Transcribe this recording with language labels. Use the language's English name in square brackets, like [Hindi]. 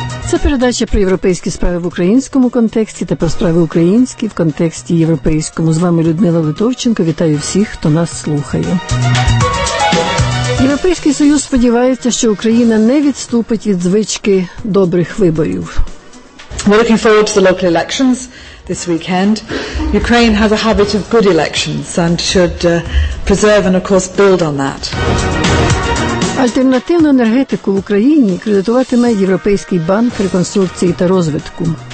[Ukrainian] Це передача про європейські справи в українському контексті та про справи українські в контексті європейському. З вами Людмила Литовченко. Вітаю всіх, хто нас слухає. Європейський Союз сподівається, що Україна не відступить від звички добрих виборів. [English] We're looking forward to the local elections this weekend. Ukraine has a habit of good elections and should preserve and, of course, build on that. [Ukrainian] Альтернативну енергетику в Україні кредитуватиме Європейський банк реконструкції та розвитку.